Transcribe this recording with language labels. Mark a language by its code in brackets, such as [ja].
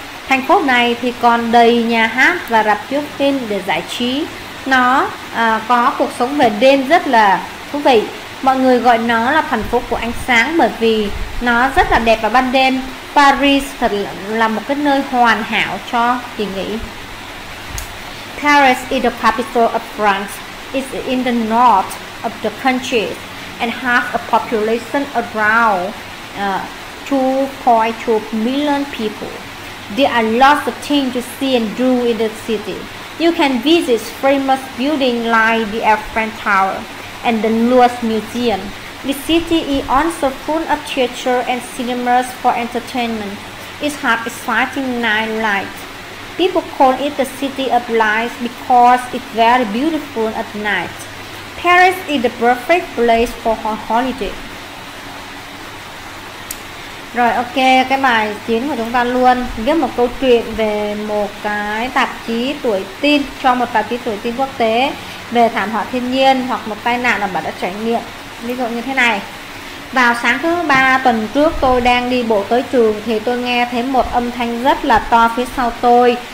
[vi] Thành phố này thì còn đầy nhà hát và rạp chiếu phim để giải trí. Nó có cuộc sống về đêm rất là thú vị. Mọi người gọi nó là thành phố của ánh sáng bởi vì nó rất là đẹp vào ban đêm. Paris thật là một cái nơi hoàn hảo cho kỳ nghỉ. [en] Paris is the capital of France. It's in the north of the country and has a population around 2.2 million people. There are lots of things to see and do in the city. You can visit famous buildings like the Eiffel Tower and the Louvre Museum. The city is also full of theaters and cinemas for entertainment. It has exciting night light. People call it the city of lights because it's very beautiful at night. Paris is the perfect place for a holiday. [vi] Rồi ok, cái bài 9 của chúng ta luôn. Viết một câu chuyện về một cái tạp chí tuổi teen, cho một tạp chí tuổi teen quốc tế về thảm họa thiên nhiên hoặc một tai nạn mà bạn đã trải nghiệm. Ví dụ như thế này. Vào sáng thứ 3 tuần trước, tôi đang đi bộ tới trường thì tôi nghe thấy một âm thanh rất là to phía sau tôi.